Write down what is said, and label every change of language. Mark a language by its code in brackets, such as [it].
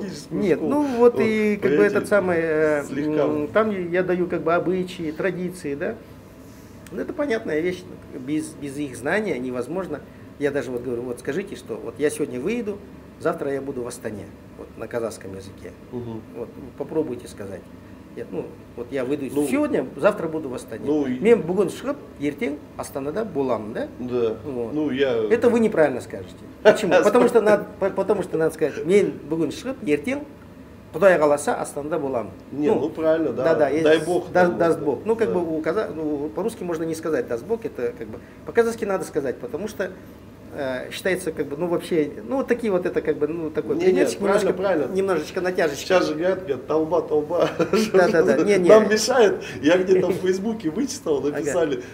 [ru] Нет, ну вот и как бы этот самый, там я даю как бы обычаи, традиции, да. Ну, это понятная вещь. Без их знания невозможно. Я даже вот говорю, вот скажите, что вот я сегодня выйду, завтра я буду в Астане, вот на казахском языке. Угу. Вот, попробуйте сказать. Я, ну, вот я выйду сегодня, завтра буду в Астане. [kk] Мен бүгін шығып, ертең Астанада боламын, да? [ru] Да. Вот. Ну, я... Это вы неправильно скажете. Почему? потому что надо сказать, [kk] мен бүгін шығып, ертең, Құдай қаласа, Астанада боламын. [ru] Не, ну, правильно, да. Да, да. Дай Бог. Даст Бог. Ну, как бы по-русски можно не сказать даст Бог, это как бы... По-казахски надо сказать, потому что... считается, как бы, ну, вообще, ну, вот такие вот это, как бы, ну, такой принятик, немножечко натяжечка. Сейчас же говорят, толба. Да-да-да, не-не. Нам мешает, я где-то в Фейсбуке вычитал, написали, ага.